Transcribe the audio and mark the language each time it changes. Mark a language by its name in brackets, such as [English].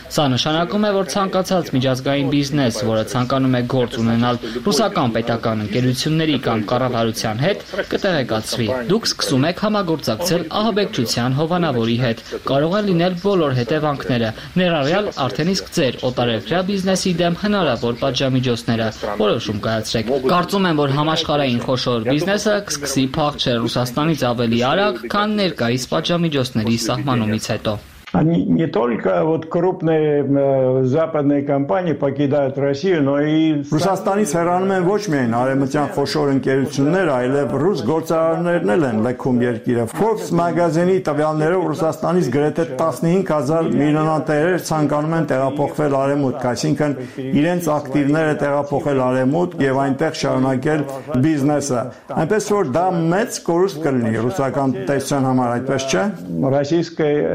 [Armenian] Սա նշանակում է, որ ցանկացած միջազգային բիզնես, որը ցանկանում է գործ ունենալ ռուսական պետական ընկերությունների կամ կառավարության հետ, կտեղեկացվի։ Դուք սկսում եք համագործակցել Սահաբեկչության հովանավորի հետ, կարող է լինել բոլոր հետևանքները։ Ներառյալ արդեն իսկ ձեր օտարերկրյա բիզնեսի դեմ հնարավոր պատժամիջոցները որոշում կայացրեք։ Կարծում եմ, որ համաշխարհային խոշոր բիզնեսը կսկսի փախչել Ռուսաստանից ավելի արագ, քան ներկայիս պատժամիջոցների սահմանումից հետո։ [Russian] Они не только вот крупные западные компании покидают Россию, но и [Armenian] Ռուսաստանից հեռանում են ոչ միայն արեմտյան խոշոր ընկերություններ, այլև ռուս գործարարներն են լքում երկիրը։ Forbes մագազինի տվյալներով Ռուսաստանից գրեթե 15,000 միլիոնատերեր ցանկանում են տեղափոխվել արեմուտք, այսինքն իրենց ակտիվները տեղափոխել արեմուտք եւ այնտեղ շարունակել բիզնեսը։ Այնպես որ դա մեծ կորուստ կլինի ռուսական տեսչության համար, այդպես չէ՞։